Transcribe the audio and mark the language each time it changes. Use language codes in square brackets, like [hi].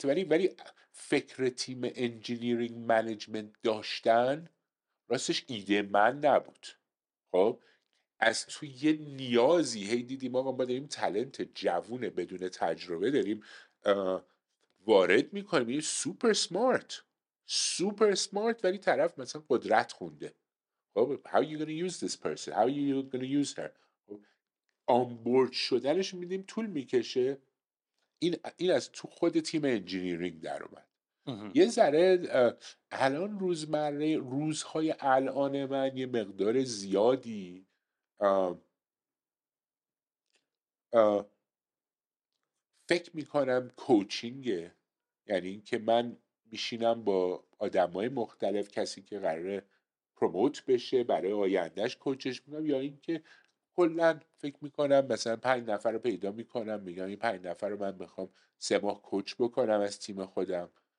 [fa] ولی فکر تیم انجینیرینگ منیجمنت داشتن راستش ایده من نبود. خب از توی یه نیازی هی دیدیم آقا ما داریم تلنت جوون بدون تجربه داریم وارد میکنیم، یه سوپر سمارت، سوپر سمارت، ولی طرف مثلا قدرت خونده. [en] خب how are you gonna use this person, how are you gonna use her. [fa] آنبورد شدنش میدیم طول میکشه. این از تو خود تیم انجینیرینگ در اومد. یه ذره الان روزمره روزهای الان من یه مقدار زیادی فکر میکنم کوچینگه، یعنی این که من میشینم با آدمای مختلف، کسی که قراره پروموت بشه برای آیندهش کوچش میکنم، یا این که کلن فکر میکنم مثلا 5 نفر رو پیدا میکنم میگم این 5 نفر رو من میخوام 3 ماه کوچ بکنم از تیم خودم.